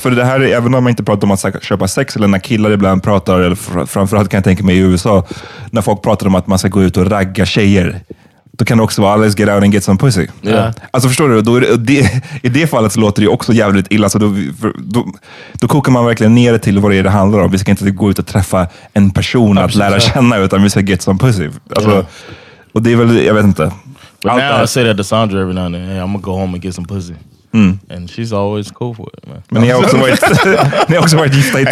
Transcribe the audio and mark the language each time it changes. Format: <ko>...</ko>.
<sv>För det här, även om man inte pratar om att köpa sex, eller när killar ibland pratar, eller framförallt kan jag tänka mig i USA, när folk pratar om att man ska gå ut och ragga tjejer, då kan det också vara</sv> <en>let's get out and get some pussy. Yeah.</en> <sv>Alltså förstår du? I det fallet så låter det också jävligt illa. Så då kokar man verkligen ner till vad det handlar om. Vi ska inte gå ut och träffa en person att lära känna, utan vi ska</sv> <en>get some pussy.</en> <sv>Alltså... Yeah. Och det är väl, jag vet inte.</sv> <en>But now I say that to Sandra every now and then. Hey, I'm gonna go home and get some pussy. Mm. And she's always cool for it, man.</en> <sv>Men ni har också varit gifta i 10</sv>